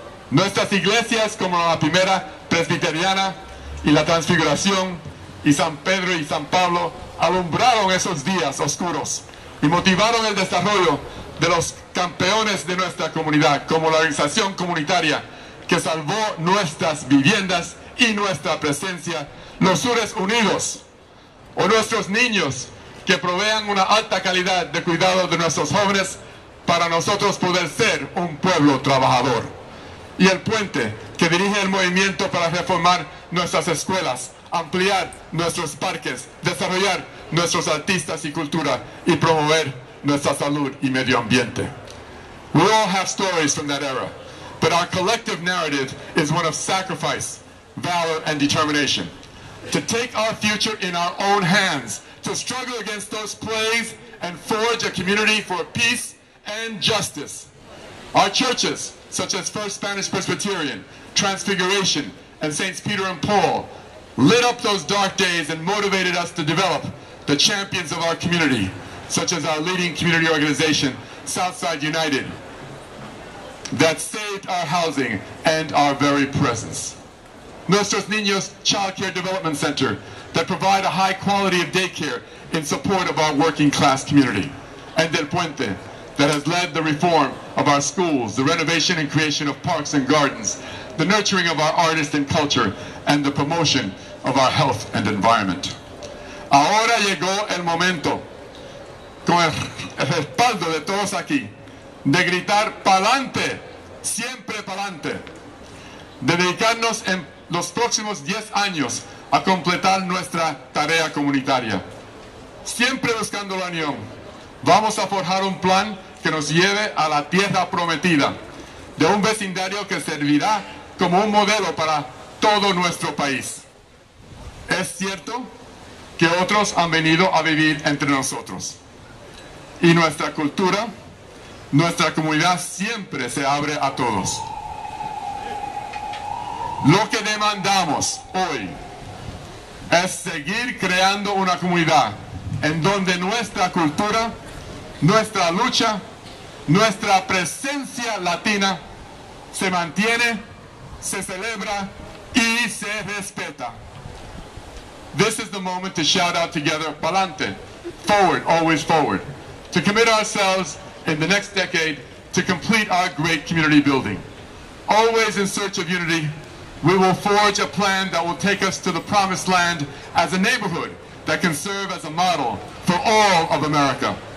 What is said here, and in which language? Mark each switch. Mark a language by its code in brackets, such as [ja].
[es] Nuestras iglesias, como la primera presbiteriana y la Transfiguración, y San Pedro y San Pablo, alumbraron esos días oscuros y motivaron el desarrollo de los campeones de nuestra comunidad, como la organización comunitaria que salvó nuestras viviendas y nuestra presencia, los Sures Unidos, o nuestros niños que provean una alta calidad de cuidado de nuestros jóvenes para nosotros poder ser un pueblo trabajador. Y el puente que dirige el movimiento para reformar nuestras escuelas, ampliar nuestros parques, desarrollar nuestros artistas y cultura y promover nuestra salud y medio ambiente. [en] We all have stories from that era, but our collective narrative is one of sacrifice, valor, and determination. To take our future in our own hands, to struggle against those plagues and forge a community for peace and justice. Our churches, such as First Spanish Presbyterian, Transfiguration, and Saints Peter and Paul lit up those dark days and motivated us to develop the champions of our community, such as our leading community organization, Southside United, that saved our housing and our very presence. Nuestros Niños Child Care Development Center, that provide a high quality of daycare in support of our working class community. And Del Puente, that has led the reform of our schools, the renovation and creation of parks and gardens, the nurturing of our artists and culture, and the promotion of our health and environment. [es] Ahora llegó el momento, con el respaldo de todos aquí, de gritar pa'lante, siempre pa'lante, de dedicarnos en los próximos 10 años a completar nuestra tarea comunitaria. Siempre buscando la unión, vamos a forjar un plan que nos lleve a la tierra prometida de un vecindario que servirá como un modelo para todo nuestro país. Es cierto que otros han venido a vivir entre nosotros. Y nuestra cultura, nuestra comunidad siempre se abre a todos. Lo que demandamos hoy es seguir creando una comunidad en donde nuestra cultura, nuestra lucha, nuestra presencia latina se mantiene, se celebra y se respeta. [en] This is the moment to shout out together, pa'lante, forward, always forward, to commit ourselves in the next decade to complete our great community building. Always in search of unity, we will forge a plan that will take us to the promised land as a neighborhood that can serve as a model for all of America.